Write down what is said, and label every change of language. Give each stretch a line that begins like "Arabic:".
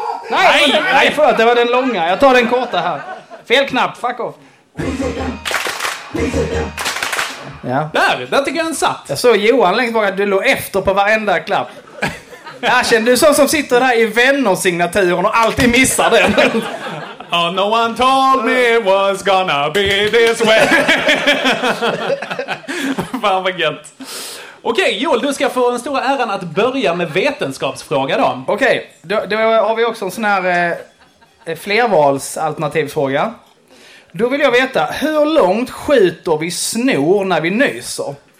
Swedish: Nej, för att det var den långa. Jag tar den korta här. Fel knapp,
English: fuck off.
Swedish: Ja. Där tycker jag den satt. Jag såg Johan längst bak att du låg efter på varenda klapp. Jag känner, du är sån som sitter där i vänner-signaturen och alltid missar den.
English: Oh, no one told me it was gonna be this way.
Swedish: Fan vad gött. Okej, Joel, du ska få den stora äran att börja med vetenskapsfråga då. Okej, då har vi också en sån här flervalsalternativsfråga. Då vill jag veta, hur långt skjuter vi snor när vi nyser?